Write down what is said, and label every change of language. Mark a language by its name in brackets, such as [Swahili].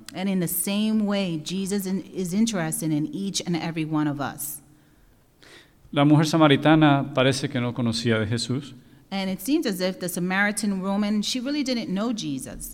[English] And in the same way, Jesus is interested in each and every one of us. [Spanish] La mujer samaritana parece que no conocía de Jesús. [English] And it seems as if the Samaritan woman, she really didn't know Jesus.